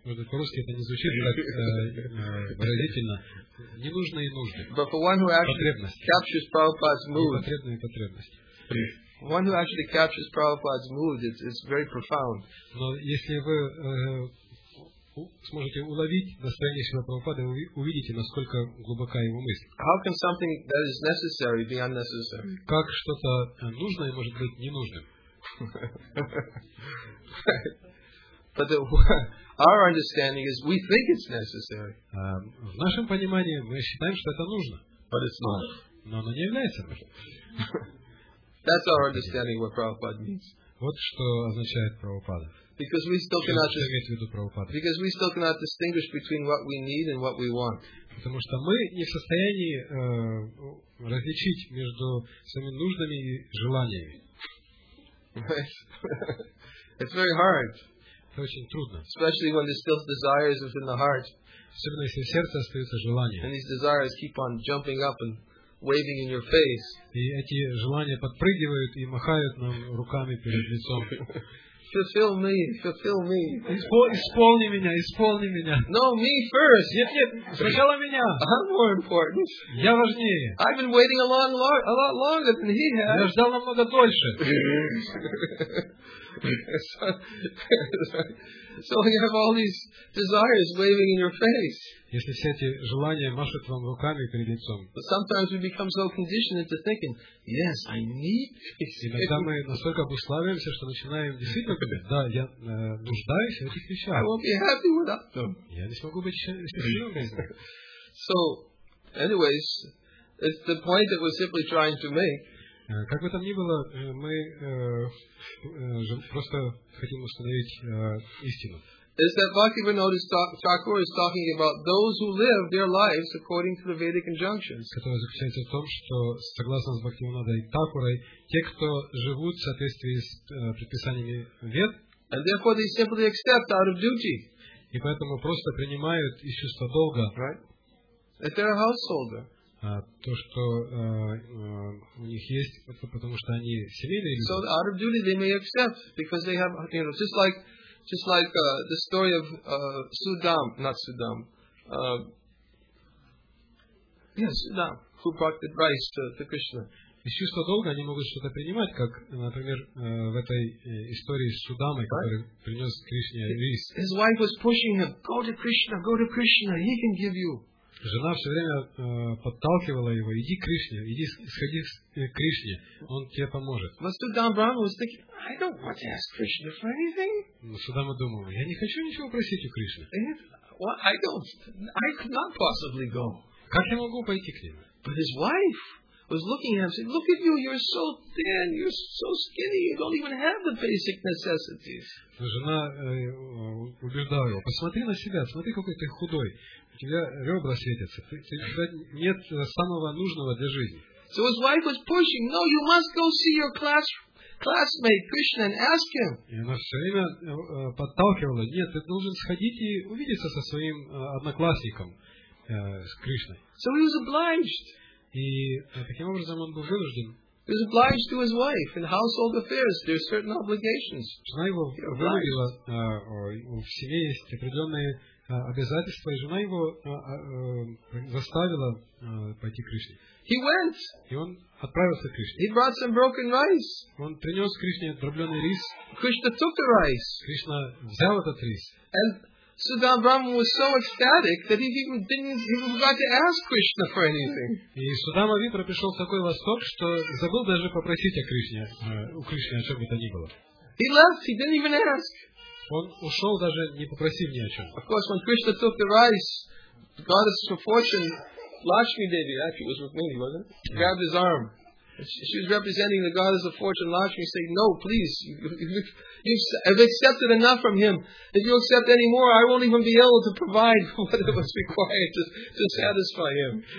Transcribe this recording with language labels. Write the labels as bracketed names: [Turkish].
[Russian] Может, по-русски это не звучит так выразительно. Ненужные нужды. [English] But for one who actually captures Prabhupada's mood, [Russian] непотребные потребности. [English] One who actually captures Prabhupada's mood, it's very profound. [Russian] Но если вы сможете уловить настроение Шрилы Прабхупады, вы увидите, насколько глубока его мысль. [English] How can something that is necessary be unnecessary? [Russian] Как что-то нужное может быть ненужным? [English] But the, our understanding is we think it's necessary. [Russian] В нашем понимании мы считаем, что это нужно. [English] But it's not. [Russian] Но оно не является. [English] That's our understanding what Prabhupada means. [Russian] Вот что означает Прабхупада. [English] Because we still cannot distinguish between what we need and what we want. [Russian] Потому что мы не в состоянии различить между своими нуждами и желаниями. [English] It's very hard. [Russian] Это очень трудно. [English] Especially when there's still desires within the heart. [Russian] Особенно если в сердце остаются желания. [English] And these desires keep on jumping up and waving in your face. [Russian] И эти желания подпрыгивают и махают нам руками перед лицом. [English] Fulfill me, fulfill me. [Russian] Исполни меня, исполни меня. [English] No, me first. [Russian] Нет, нет, сначала меня. [English] I'm more important. [Russian] Я важнее. [English] I've been waiting a lot longer than he has. [Russian] Я ждал намного дольше. [English] So you have all these desires waving in your face. [Russian] Если все эти желания машут вам руками перед лицом. [English] But sometimes we become so conditioned into thinking, yes, I need this. [Russian] Иногда мы настолько обуславливаемся, что начинаем действительно говорить, да, я нуждаюсь в этих вещах. [English] I won't be happy without them. [Russian] Я не смогу быть счастливым без них. [English] So, anyways, it's the point that we're simply trying to make. [Russian] Как бы там ни было, мы просто хотим установить истину. [English] Is that Bhaktivinoda Thakur is talking about those who live their lives according to the Vedic injunctions. [Russian] Которое заключается в том, что согласно с Бхактивинодой Такурой, те, кто живут в соответствии с предписаниями Вед, [English] and therefore they simply accept out of duty. [Russian] И поэтому просто принимают из чувства долга. [English] Right? If they're a householder. [Russian] То, что у них есть, это потому что они семейные люди. [English] So out of duty they may accept because they have, you know, just like the story of Sudam, who brought advice to Krishna. [Russian] Из чувства долга они могут что-то принимать, как, например, в этой истории с Судамой, который принес Кришне рис. [English] His wife was pushing him, go to Krishna, go to Krishna, he can give you. [Russian] Жена все время подталкивала его, иди к Кришне, иди, сходи к Кришне, он тебе поможет. [English] But Sudama Brahma was thinking, I don't want to ask Krishna for anything. [Russian] Судама думал, я не хочу ничего просить у Кришны. [English] Well, I could not possibly go. [Russian] Как я могу пойти к нему? [English] But his wife was looking at him, saying, look at you, you're so thin, you're so skinny, you don't even have the basic necessities. [Russian] Жена убеждала его, посмотри на себя, смотри, какой ты худой. У тебя ребра светятся. Тебя нет самого нужного для жизни. [English] So his wife was pushing. No, you must go see your classmate Krishna and ask him. [Russian] И она все время подталкивала. Нет, ты должен сходить и увидеться со своим одноклассником, с Кришной. [English] So he was obliged. [Russian] И таким образом он был вынужден. [English] He was obliged to his wife in household affairs. There are certain obligations. [Russian] Жена его вынудила. В семье есть определенные обязательства, и жена его заставила пойти к Кришне. [English] He went. [Russian] И он отправился к Кришне. [English] He brought some broken rice. [Russian] Он принес Кришне дробленый рис. [English] Krishna took the rice. [Russian] Кришна взял этот рис. [English] And Sudama Brahma was so ecstatic that he even forgot to ask Krishna for anything. [Russian] И Судама Витра пришел в такой восторг, что забыл даже попросить о Кришне, у Кришны о чем бы то ни было. [English] He left. He didn't even ask. [Russian] Он ушел, даже не попросив ни о чем. [English] Of course, when Krishna took the rice, the goddess of fortune, Lakshmi Devi, actually, was with me, wasn't it? Grabbed his arm. She was representing the goddess of fortune, Lakshmi, saying, no, please, you've accepted enough from him. If you accept any more, I won't even be able to provide what was required to satisfy him.